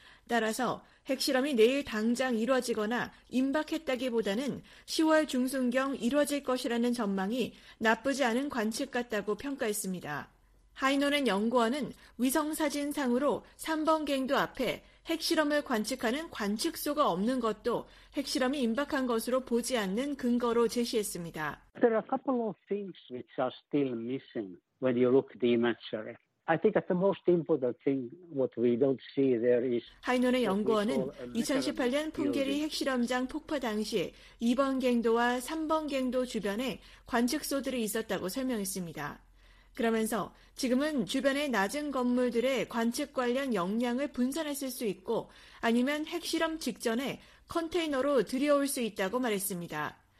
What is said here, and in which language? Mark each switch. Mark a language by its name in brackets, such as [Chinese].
[Korean] 따라서 핵실험이 내일 당장 이루어지거나 임박했다기보다는 10월 중순경 이루어질 것이라는 전망이 나쁘지 않은 관측 같다고 평가했습니다. 하이노넨 연구원은 위성사진상으로 3번 갱도 앞에 핵실험을 관측하는 관측소가 없는 것도 핵실험이 임박한 것으로 보지 않는 근거로 제시했습니다. [English] There are a couple of things which are still missing when you look at the imagery. I think that the most important thing what we don't see there is [Korean] 하이논의 연구원은 2018년 풍계리 핵실험장 폭파 당시 2번 갱도와 3번 갱도 주변에 관측소들이 있었다고 설명했습니다. 그러면서 지금은 주변의 낮은 건물들의 관측 관련 역량을 분산했을 수 있고 아니면 핵실험 직전에 컨테이너로 들여올 수 있다고 말했습니다.